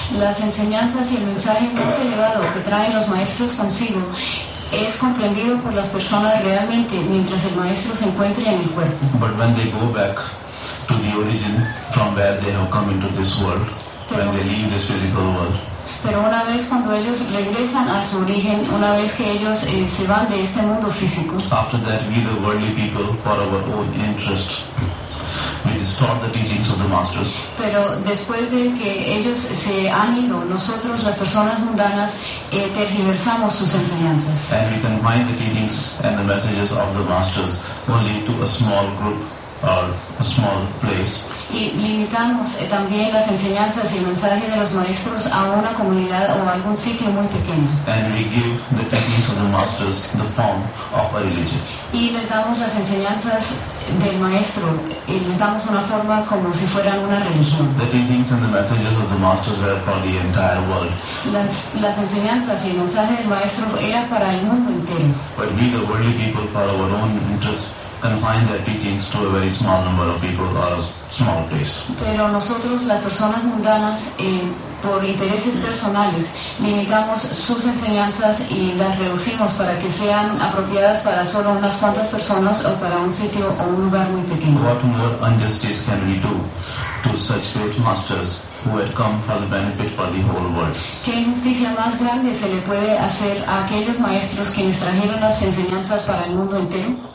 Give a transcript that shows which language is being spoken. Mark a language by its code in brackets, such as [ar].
[es] Las enseñanzas y el mensaje más elevado que traen los maestros consigo es comprendido por las personas realmente mientras el maestro se encuentre en el cuerpo. [en] But when they go back to the origin from where they have come into this world, when they leave this physical world, [es] pero una vez cuando ellos regresan a su origen, una vez que ellos se van de este mundo físico, [en] after that we the worldly people for our own interest we distort the teachings of the masters, [es] pero después de que ellos se han ido, nosotros las personas mundanas tergiversamos sus enseñanzas, [en] and we combine the teachings and the messages of the masters only to a small group or a small place. [es] Y limitamos también las enseñanzas y el mensaje de los maestros a una comunidad o a algún sitio muy pequeño. [en] And we give the teachings of the masters the form of a religion. [es] Y les damos las enseñanzas del maestro y les damos una forma como si fueran una religión. [en] The teachings and the messages of the masters were for the entire world. [es] Las enseñanzas y el mensaje del maestro era para el mundo entero. [en] But we the worldly people for our own interest confine their teachings to a very small number of people or a small place. [es] Pero nosotros, las personas mundanas, por intereses personales, limitamos sus enseñanzas y las reducimos para que sean apropiadas para solo unas cuantas personas o para un sitio o un lugar muy pequeño. [en] What more injustice can we do to such great masters who had come for the benefit for the whole world? [es] ¿Qué injusticia más grande se le puede hacer a aquellos maestros quienes trajeron las enseñanzas para el mundo entero?